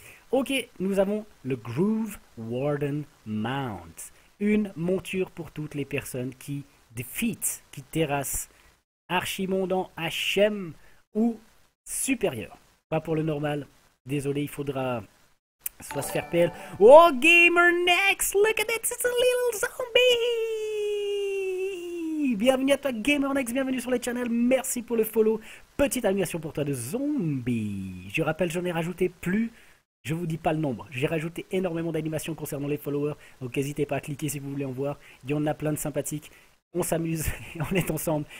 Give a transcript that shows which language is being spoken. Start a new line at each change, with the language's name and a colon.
French: Ok, nous avons le Groove Warden Mount. Une monture pour toutes les personnes qui défient, qui terrassent Archimonde en HM ou supérieur. Pas pour le normal. Désolé, il faudra soit se faire PL.
English: Oh, Gamer Next! Look at it, it's a little zombie!
French: Bienvenue à toi, Gamer Next, bienvenue sur les channels. Merci pour le follow. Petite animation pour toi de zombie. Je rappelle, j'en ai rajouté plus. Je vous dis pas le nombre. J'ai rajouté énormément d'animations concernant les followers. Donc n'hésitez pas à cliquer si vous voulez en voir. Il y en a plein de sympathiques. On s'amuse et on est ensemble.